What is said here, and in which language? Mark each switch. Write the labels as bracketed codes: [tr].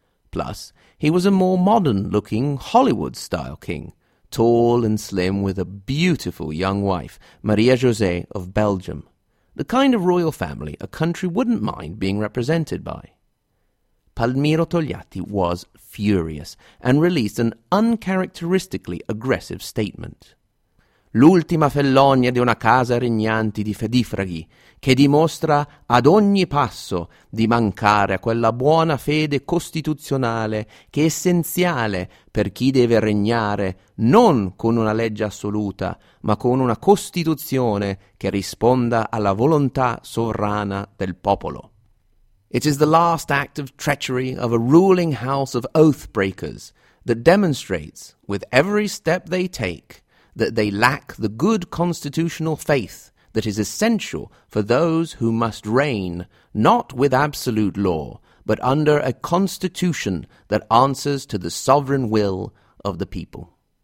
[en] Plus, he was a more modern-looking Hollywood-style king, tall and slim with a beautiful young wife, Maria José of Belgium, the kind of royal family a country wouldn't mind being represented by. Palmiro Togliatti was furious and released an uncharacteristically aggressive statement. [it] L'ultima fellonia di una casa regnante di fedifraghi che dimostra ad ogni passo di mancare a quella buona fede costituzionale che è essenziale per chi deve regnare non con una legge assoluta ma con una costituzione che risponda alla volontà sovrana del popolo. [en] It is the last act of treachery of a ruling house of oath breakers that demonstrates with every step they take that they lack the good constitutional faith that is essential for those who must reign not with absolute law, but under a constitution that answers to the sovereign will of the people.